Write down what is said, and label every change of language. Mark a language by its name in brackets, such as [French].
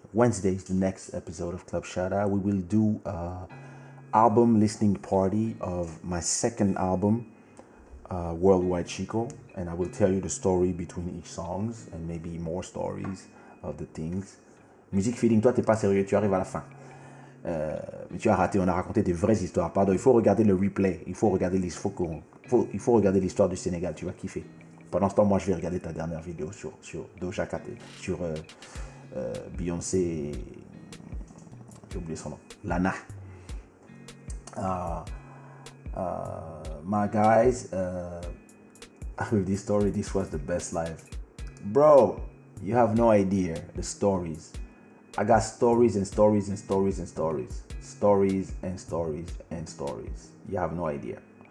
[English] Wednesday is the next episode of Club Shada. We will do an album listening party of my second album, Worldwide Chico. And I will tell you the story between each songs and maybe more stories of the things. [French] Music feeding, toi, t'es pas sérieux, tu arrives à la fin. Mais tu as raté, on a raconté des vraies histoires. Pardon, il faut regarder le replay. Il faut regarder l'histoire du Sénégal, tu vas kiffer. Pendant ce temps, moi, je vais regarder ta dernière vidéo sur Doja Cat, sur Beyoncé, j'ai oublié son nom, Lana. [English] My guys, with this story, this was the best life. Bro, you have no idea the stories. I got stories and stories and stories and stories. Stories and stories and stories. You have no idea.